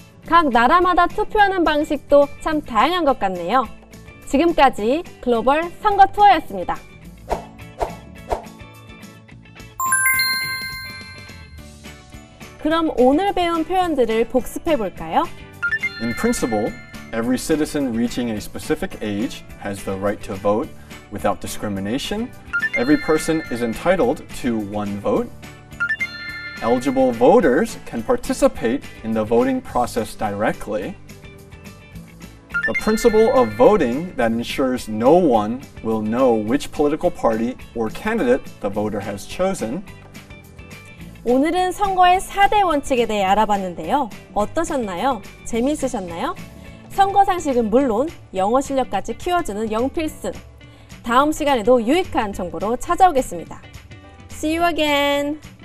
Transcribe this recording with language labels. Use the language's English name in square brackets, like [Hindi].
[Korean] 각 나라마다 투표하는 방식도 참 다양한 것 같네요. 지금까지 글로벌 선거 투어였습니다. 그럼 오늘 배운 표현들을 복습해 볼까요? [English] In principle, every citizen reaching a specific age has the right to vote without discrimination. Every person is entitled to one vote. Eligible voters can participate in the voting process directly. The principle of voting that ensures no one will know which political party or candidate the voter has chosen. [Korean] 오늘은 선거의 4대 원칙에 대해 알아봤는데요. 어떠셨나요? 재미있으셨나요? 선거 상식은 물론 영어 실력까지 키워주는 영필승. 다음 시간에도 유익한 정보로 찾아오겠습니다. [English] See you again!